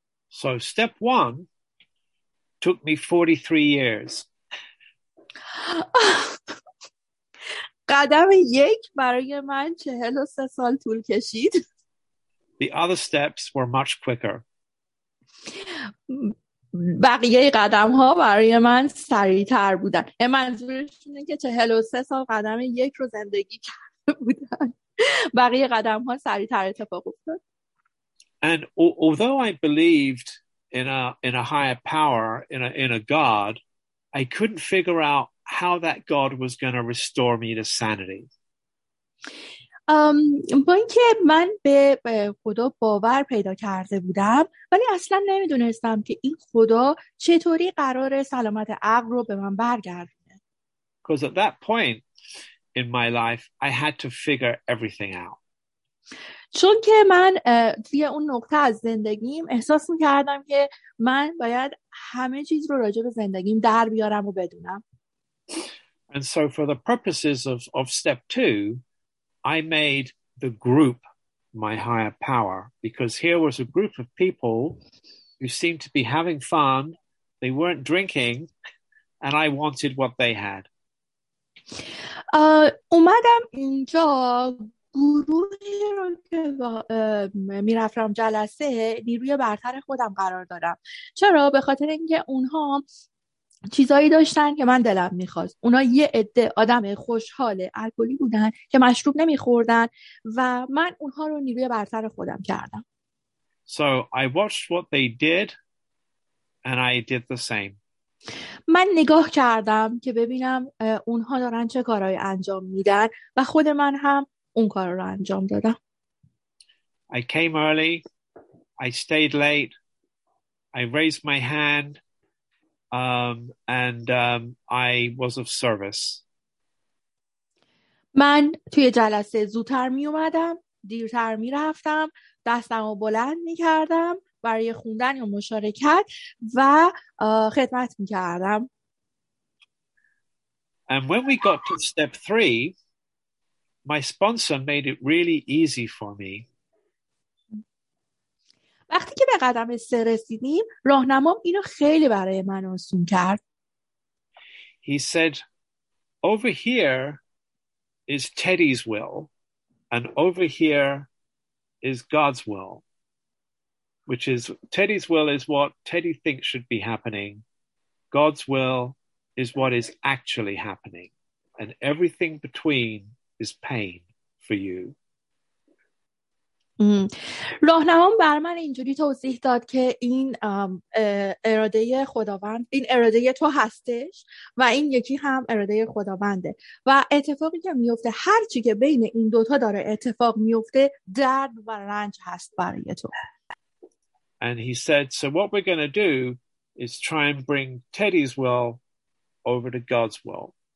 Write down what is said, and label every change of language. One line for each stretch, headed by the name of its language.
English: So step one took me 43 years.
Persian: قدم یک برای من 43 سال طول کشید.
English: The other steps were much quicker.
Persian: بقیه قدم ها برای من سریع تر بودن. منظورش اینه که 43 سال قدم یک رو زندگی کرده بودن. بقیه قدم ها سریع تر اتفاق افتاد.
English: And although I believed in a higher power, in a God, I couldn't figure out how that God was going to restore me to sanity.
Persian: با اینکه من به خدا باور پیدا کرده بودم ولی اصلا نمیدونستم که این خدا چطوری قرار سلامت عقل رو به من برگردونه.
English: Because at that point in my life, I had to figure everything out.
Persian: چون که من توی اون نقطه از زندگیم احساس میکردم که من باید همه چیز رو راجع به زندگیم در بیارم و بدونم.
English: And so for the purposes of step two, I made the group my higher power because here was a group of people who seemed to be having fun, they weren't drinking, and I wanted what they had.
Persian: اومدم اینجا گروهی رو که می رفتم جلسه نیروی برتر خودم قرار دارم. چرا؟ به خاطر اینکه اونها چیزایی داشتن که من دلم می خواست. اونها یه عده آدم خوشحال الکلی بودن که مشروب نمی خوردن و من اونها رو نیروی برتر خودم کردم.
English: So I watched what they did and I did the same.
Persian: من نگاه کردم که ببینم اونها دارن چه کارهای انجام میدن و خود من هم اون کار رو انجام دادم.
English: I came early. I stayed late. I raised my hand. And I was of service.
Persian: من توی جلسه زودتر می اومدم، دیرتر می رفتم دستم رو بلند می کردم برای خوندن یا مشارکت و خدمت می کردم.
English: And when we got to step three, my sponsor made it really easy for me.
Persian: وقتی که به قدم سه رسیدیم راهنمام اینو خیلی برای من آسون کرد.
English: He said, over here is Teddy's will and over here is God's will, which is Teddy's will is what Teddy thinks should be happening. God's will is what is actually happening and everything between is pain for you.
Persian: راهنمام بر من اینجوری توضیح داد که این اراده خداوند، این اراده تو هستش و این یکی هم اراده خداونده و اتفاقی که میفته، هر چی که بین این دوتا داره اتفاق میفته، درد و رنج هست برای تو.
English: And he said, so what we're going to do is try and bring Teddy's will over to God's will.